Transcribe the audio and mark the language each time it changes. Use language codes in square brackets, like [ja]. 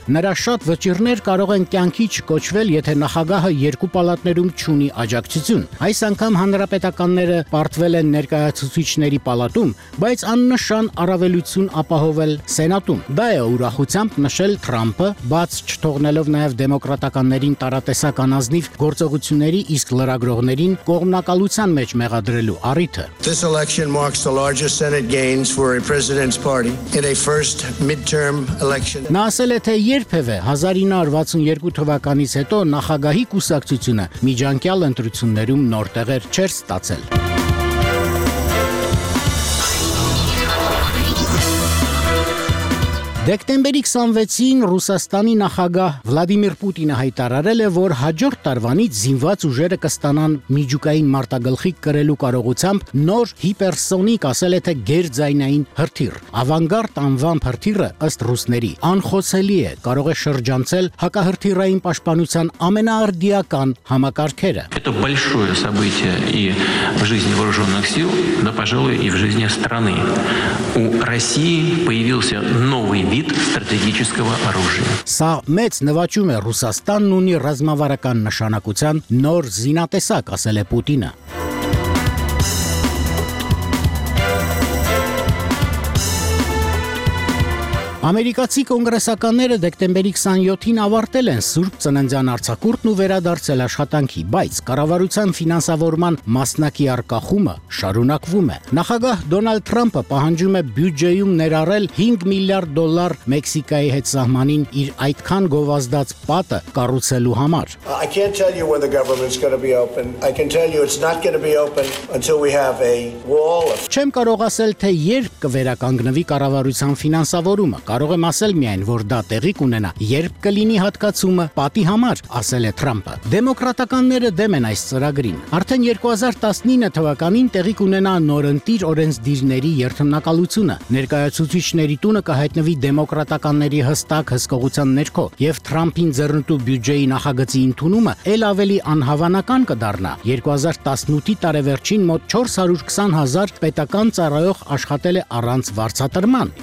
[hy] նրա շատ վճիռներ կարող են կյանքի չկոչվել, եթե նախագահը երկու պալատներում չունի աջակցություն։ Այս անգամ հանրապետականները պարտվել են ներկայացուցիչների պալատում, բայց աննշան առավելություն ապահովել սենատում։ Դա է ուրախությամբ նշել Թրամփը, բաց չթողնելով նաև դեմոկրատականներին տարատեսակ անազնիվ գործողությունների իսկ լրագրողներին կողմնակալության մեջ մեղադրելու առիթը։ [en] This election marks the largest Senate gains for a president's party in a first midterm election. [hy] Նա ասել է, թե երբևէ 1962 թվականից հետո նախագահի կուսակցությունը միջանկյալ ընտրություններում նոր տեղեր չէր ստացել։ Դեկտեմբերի 26-ին Ռուսաստանի նախագահ Վլադիմիր Պուտինը հայտարարել է, որ հաջորդ տարվանից զինված ուժերը կստանան միջուկային մարտագլխիկ կրելու կարողությամբ նոր հիպերսոնիկ, ասել է թե գերձայնային հրթիռ։ Ավանգարդ անվամբ հրթիռը, ըստ ռուսների, անխոցելի է, կարող է շրջանցել հակահրթիռային պաշտպանության ամենաարդիական համակարգերը։ [ru] Это большое событие и в жизни вооружённых сил, да, пожалуй, и в жизни страны. У России появился новый вид стратегического оружия. [hy] Սա մեծ նվաճում է Ռուսաստանն ունի ռազմավարական նշանակության նոր զինատեսակ, ասել է Պուտինը։ Ամերիկացի կոնգրեսականները դեկտեմբերի 27-ին ավարտել են Սուրբ Ծննդյան արձակուրդն ու վերադարձել աշխատանքի, բայց կառավարության ֆինանսավորման մասնակի արկախումը շարունակվում է։ Նախագահ Դոնալդ Թրամփը պահանջում է բյուջեում ներառել 5 միլիարդ դոլար Մեքսիկայի հետ սահմանին իր այդքան գովազդած պատը կառուցելու համար։ [en] I can't tell you when the government's going to be open. I can tell you it's not going to be open until we have a wall. [hy] Չեմ կարող ասել, թե երբ կվերականգնվի կառավարության ֆինանսավորումը։ Կարող եմ ասել միայն, որ դա տեղի կունենա, երբ կլինի հատկացումը պատի համար, ասել է Թրամփը։ Դեմոկրատականները դեմ են այս ծրագրին։ Արդեն 2019 թվականին տեղի կունենա նորընտիր օրենսդիրների երթմնակալությունը։ Ներկայացուցիչների տունը կհայտնվի դեմոկրատականների հստակ հսկողության ներքո, և Թրամփին ձեռնտու բյուջեի նախագծի ընդունումը էլ ավելի անհավանական կդառնա։ 2018-ի տարեվերջին մոտ 420,000 պետական ծառայող աշխատել է առանց վարձատրման,